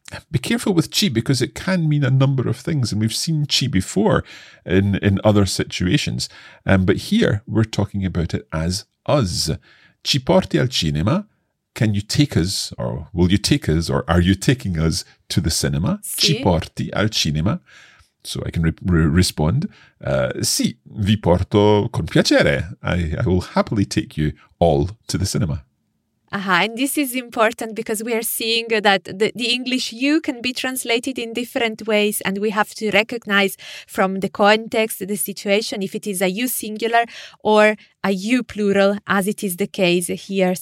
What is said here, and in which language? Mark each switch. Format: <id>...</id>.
<en>Be careful with ci because it can mean a number of things. And we've seen ci before in other situations. But here we're talking about it as us.</en> <it>Ci porti al cinema?</it> <en>Can you take us, or will you take us, or are you taking us to the cinema?</en> <it>Si. Ci porti al cinema?</it> <en>So I can respond,</en> <it>sì, vi porto con piacere.</it> <en>I will happily take you all to the cinema. And this is important because we are seeing that the English you can be translated in different ways, and we have to recognize from the context, the situation, if it is a you singular or a you plural, as it is the case here.</en>